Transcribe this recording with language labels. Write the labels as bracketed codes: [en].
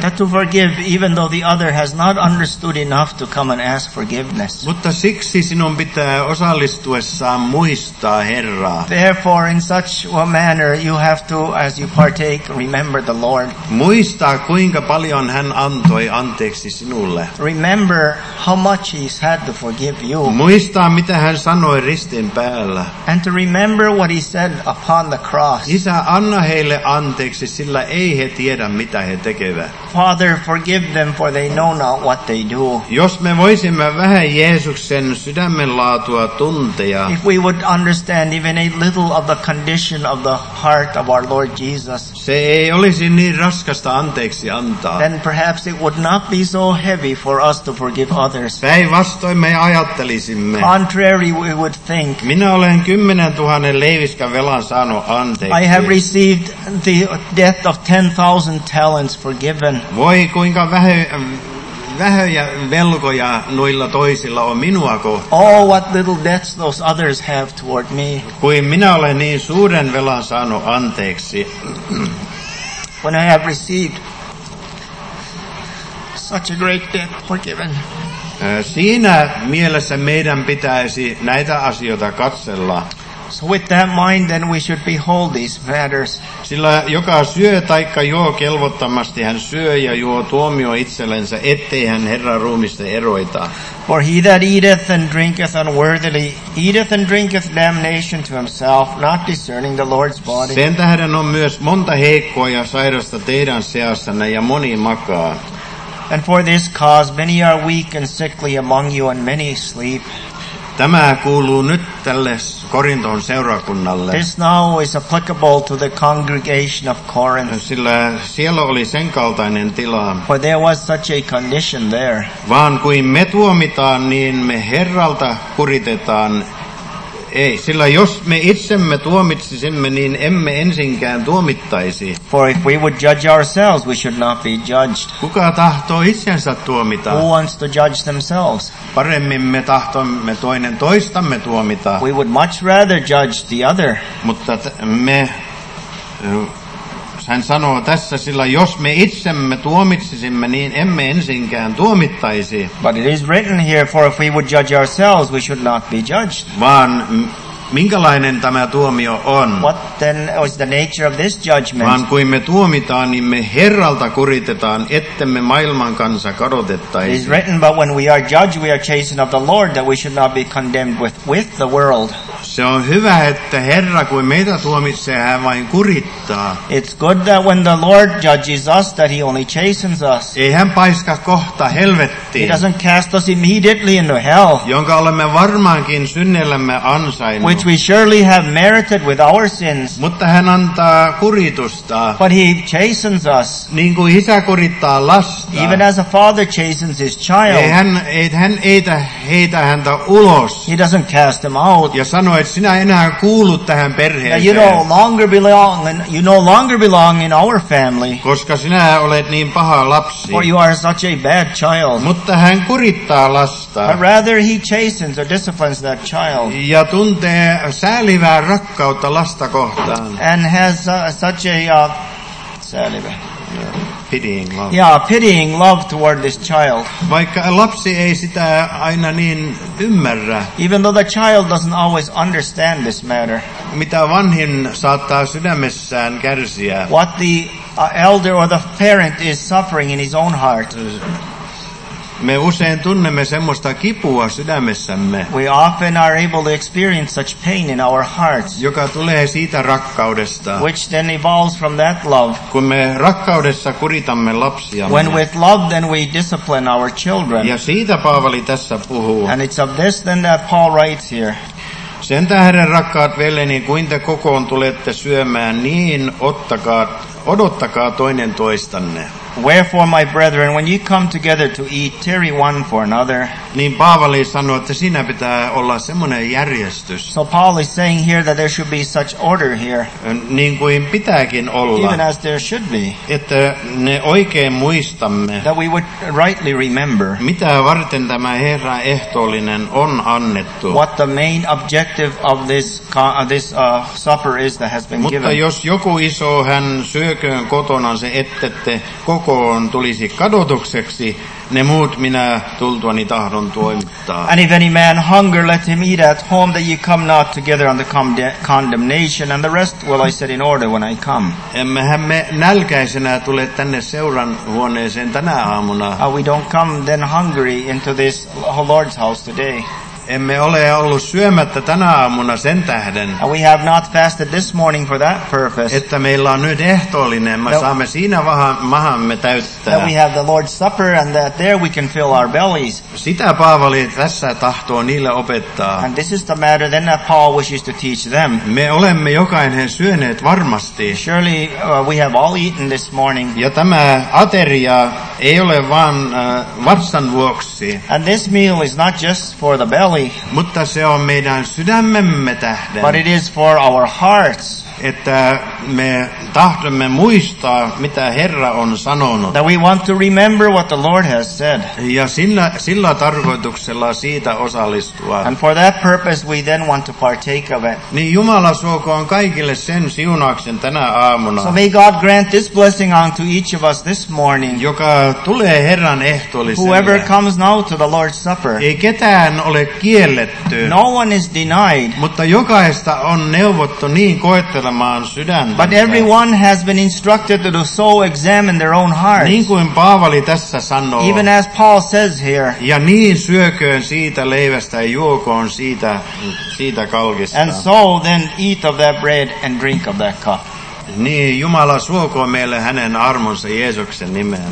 [en] That to forgive even though the other has not understood enough to come and ask forgiveness. [fi] Mutta siksi sinun pitää osallistuessaan muistaa Herraa. [en] Therefore in such a manner you have to, as you partake, remember the Lord. [fi] Muista kuinka paljon hän antoi anteeksi sinulle. [en] Remember how much he's had to forgive you. [fi] Muista mitä hän sanoi ristin päällä. [en] And to remember what he said upon the cross. [fi] Isä, anna heille anteeksi, sillä ei he tiedä mitä he tekevät. [en] Father, forgive them for they know not what they do. [fi] Jos me voisimme vähän Jeesuksen sydämen laatua tuntea. [en] If we would understand even a little of the condition of the heart of our Lord Jesus. [fi] Se ei olisi niin raskasta anteeksi antaa. [en] Then perhaps it would not be so heavy for us to forgive others. [fi] Päinvastoin me ajattelisimme. [en] Contrary, we would think. [fi] Minä olen 10,000 leiviskän velan saanut anteeksi. [en] I have received the debt of 10,000 talents forgiven. [fi] Voi kuinka vähöjä velkoja noilla toisilla on minua kohtaan. [en] Oh, what little debts those others have toward me. [fi] Kuin minä olen niin suuren velan saanut anteeksi. [en] When I have received such a great debt forgiven. [fi] Siinä mielessä meidän pitäisi näitä asioita katsella. [en] So with that mind then we should behold these matters. [fi] Sillä joka syö taikka juo kelvottomasti, hän syö ja juo tuomio itsellensä, ettei hän Herran ruumista eroita. [en] For he that eateth and drinketh unworthily, eateth and drinketh damnation to himself, not discerning the Lord's body. [fi] Sen tähden on myös monta heikkoa ja sairasta teidän seassanne ja moni makaa. [en] And for this cause many are weak and sickly among you and many sleep. [fi] Tämä kuuluu nyt tälle Korinton seurakunnalle. [en] This now is applicable to the congregation of Corinth. [fi] Sillä siellä oli sen kaltainen tila. [en] For there was such a condition there. [fi] Vaan kuin me tuomitaan, niin me Herralta kuritetaan. Ei, sillä jos me itsemme tuomitsisimme, niin emme ensinkään tuomittaisi. [en] For if we would judge ourselves, we should not be judged. [fi] Kuka tahtoo itsensä tuomita? [en] Who wants to judge themselves? [fi] Paremmin me tahtomme toinen toistamme tuomita. [en] We would much rather judge the other. [fi] Mutta me, hän sanoo tässä, sillä jos me itsemme tuomitsisimme, niin emme ensinkään tuomittaisi. [en] But it is written here, for if we would judge ourselves, we should not be judged. [fi] Vaan minkälainen tämä tuomio on. [en] What then is the nature of this judgment? [fi] Vaan kuin me tuomitaan, niin me Herralta kuritetaan, ettemme maailman kansa kadotettaisi. [en] It is written, but when we are judged, we are chastened of the Lord, that we should not be condemned with the world. [fi] Se on hyvä, että Herra, kuin meitä tuomitsee, hän vain kurittaa. [en] It's good that when the Lord judges us, that he only chastens us. [fi] Ei hän paiska kohta helvettiin. [en] He doesn't cast us immediately into hell. [fi] Jonka olemme varmaankin synnellämme ansainneet. [en] Which we surely have merited with our sins. [fi] Mutta hän antaa kuritusta. [en] But he chastens us. [fi] Niin kuin isä kurittaa lasta. [en] Even as a father chastens his child. [fi] Hän heitä häntä ulos. [en] He doesn't cast him out. [fi] Ja sanoo, että sinä enää kuulut tähän perheeseen. [en] Now you no longer belong in our family. [fi] Koska sinä olet niin paha lapsi. [en] For you are such a bad child. [fi] Mutta hän kurittaa lasta. [en] But rather he chastens or disciplines that child. [fi] Ja tuntee säälivää rakkautta lasta kohtaan. [en] And has such a säälivä. Pitying love. Yeah, pitying love toward this child. [fi] Vaikka lapsi ei sitä aina niin ymmärrä. [en] Even though the child doesn't always understand this matter. [fi] Mitä vanhin saattaa sydämessään kärsiä. [en] What the elder or the parent is suffering in his own heart. [fi] Me usein tunnemme semmoista kipua sydämessämme. [en] We often are able to experience such pain in our hearts. [fi] Joka tulee siitä rakkaudesta. [en] Which then evolves from that love. [fi] Kun me rakkaudessa kuritamme lapsia. [en] When with love then we discipline our children. [fi] Ja siitä Paavali tässä puhuu. [en] And it's of this then that Paul writes here. [fi] Sen tähden rakkaat veljeni, kuin te kokoon tulette syömään, niin odottakaa toinen toistanne. [en] Wherefore, my brethren, when you come together to eat, tarry one for another. [fi] Niin Paavali sanoo, että siinä pitää olla semmoinen järjestys. [en] So Paul is saying here that there should be such order here. [fi] Niin kuin pitääkin olla. [en] Even as there should be. [fi] Että ne oikein muistamme. [en] That we would rightly remember. [fi] Mitä varten tämä Herran ehtoollinen on annettu. [en] What the main objective of this supper is that has been [fi] Mutta [en] given. [fi] Mutta jos joku iso hän syököön kotona, se ettette kokoon tulisi kadotukseksi, ne muut minä tultuani tahdon toimittaa. [en] And if any man hunger, let him eat at home, that ye come not together on the condemnation, and the rest will I set in order when I come. [fi] Emmehän me nälkäisenä tule tänne seuran huoneeseen tänä aamuna. [en] We don't come then hungry into this Lord's house today. [fi] Emme ole ollut syömättä tänä aamuna sen tähden. [en] And we have not fasted this morning for that purpose. [fi] Että meillä on nyt ehtoollinen, me saamme siinä mahamme täyttää. [en] That we have the Lord's Supper and that there we can fill our bellies. [fi] Sitä Paavali tässä tahtoo niille opettaa. [en] And this is the matter then that Paul wishes to teach them. [fi] Me olemme jokainen syöneet varmasti. [en] Surely we have all eaten this morning. [fi] Ja tämä ateria ei ole vaan vatsan vuoksi. [en] And this meal is not just for the belly. [fi] Mutta se on meidän sydämemme tähden. [en] But it is for our hearts. [fi] Että me tahdomme muistaa, mitä Herra on sanonut. [en] That we want to remember what the Lord has said. [fi] Ja sillä tarkoituksella siitä osallistua. [en] And for that purpose we then want to partake of it. [fi] Niin Jumala suokoon kaikille sen siunauksen tänä aamuna. [en] So may God grant this blessing unto each of us this morning. [fi] Joka tulee Herran ehtoolliselle. [en] Whoever comes now to the Lord's Supper. [fi] Ei ketään ole kielletty. [en] No one is denied. [fi] Mutta jokaista on neuvottu niin koettu. [en] But everyone has been instructed to do so, examine their own hearts. [fi] Niin kuin Paavali tässä sanoo. [en] Even as Paul says here. [fi] Ja niin syököön siitä leivästä ja juokoon siitä kalkista. [en] And so then eat of that bread and drink of that cup. [fi] Niin Jumala suokoon meille hänen armonsa Jeesuksen nimeen.